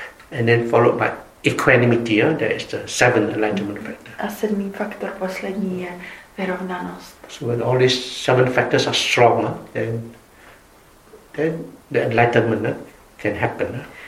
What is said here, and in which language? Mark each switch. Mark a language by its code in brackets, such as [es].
[en] And then followed by equanimity, that is the seventh enlightenment factor. [cs] A sedmý faktor poslední je vyrovnanost. [en] So when all these seven factors are strong, then the enlightenment can happen.